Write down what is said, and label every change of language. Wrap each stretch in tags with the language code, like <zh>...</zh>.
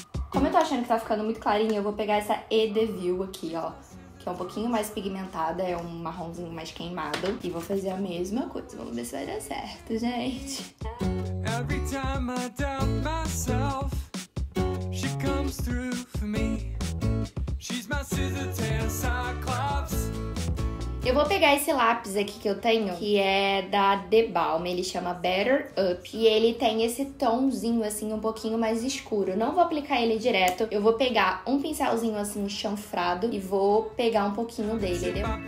<pt>Como eu tô achando que tá ficando muito clarinho, eu vou pegar essa Edeville aqui, ó. É um pouquinho mais pigmentada, é um marronzinho mais queimado. E vou fazer a mesma coisa, vamos ver se vai dar certo, gente.</pt> <en>Every time I doubt myself, she comes through for me. She's my scissor tail cyclops.</en> <pt>Eu vou pegar esse lápis aqui que eu tenho, que é da The Balm, ele chama Better Up. E ele tem esse tonzinho, assim, um pouquinho mais escuro. Não vou aplicar ele direto, eu vou pegar um pincelzinho, assim, chanfrado e vou pegar um pouquinho dele, né?</pt>